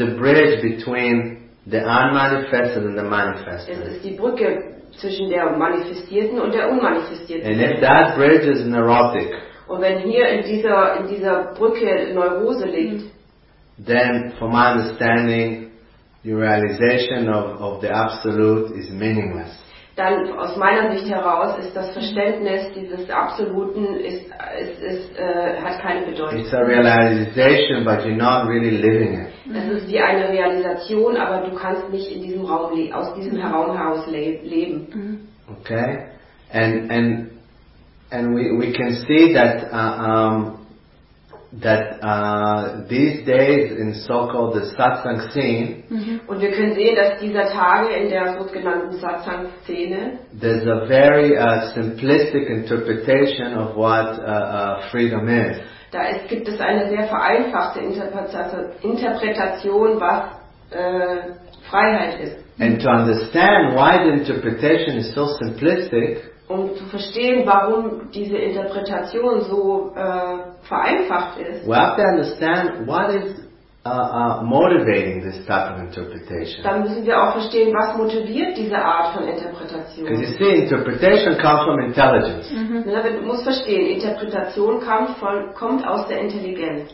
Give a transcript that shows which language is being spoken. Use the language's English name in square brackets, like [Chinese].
[English] the bridge between the unmanifested and the manifested. [German] Es ist die Brücke zwischen der manifestierten und der unmanifestierten. [English] And if that bridge is neurotic, [German] und wenn hier in dieser Brücke Neurose liegt, [English] then from my understanding, your realization of the absolute is meaningless. [German] Dann aus meiner Sicht heraus ist das Verständnis dieses Absoluten hat keine Bedeutung. [English] It's a realization, but you're not really living it. [German] Es ist wie eine Realisation, aber du kannst nicht in diesem Raum leben. [English] Okay, and we can see that these days in so-called the satsang scene, [German] und wir können sehen, dass dieser Tage in der sogenannten satsang Szene, [English] there's a very simplistic interpretation of what freedom is. [German] Da gibt es eine sehr vereinfachte Interpretation, was Freiheit ist. [English] And to understand why the interpretation is so simplistic, [German] um zu verstehen, warum diese Interpretation so vereinfacht ist, [English] we have to understand what is motivating this type of interpretation. [German] Dann müssen wir auch verstehen, was motiviert diese Art von Interpretation. [English] Because you see, interpretation comes from intelligence. Mm-hmm. [German] Du musst verstehen, Interpretation kommt aus der Intelligenz.